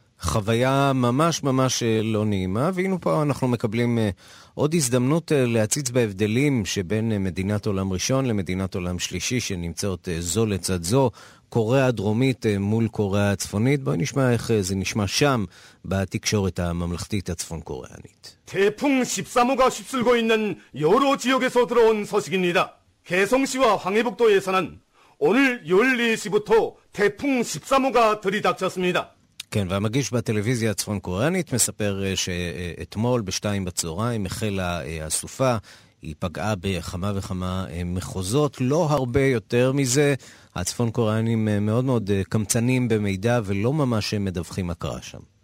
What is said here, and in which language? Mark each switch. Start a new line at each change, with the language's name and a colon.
Hebrew: חוויה ממש ממש לא נעימה, והנה פה אנחנו מקבלים עוד הזדמנות להציץ בהבדלים שבין מדינת עולם ראשון למדינת עולם שלישי שנמצאות זו לצד זו, קוריאה הדרומית מול קוריאה הצפונית. בואי נשמע איך זה נשמע שם בתקשורת הממלכתית הצפון קוריאנית.
Korean: טייפונג 13호가 휩쓸고 있는 여러 지역에서 들어온 소식입니다. 개성시와 황해북도에서는 오늘 12시부터 태풍 13호가 들이닥쳤습니다.
Hebrew: כן, והמגיש בטלוויזיה הצפון קוריאנית מספר שאתמול בשתיים בצהריים החלה הסופה, היא פגעה בכמה וכמה מחוזות, לא הרבה יותר מזה. הצפון קוריאנים מאוד מאוד קמצנים במידע ולא ממש מדווחים מה קרה שם.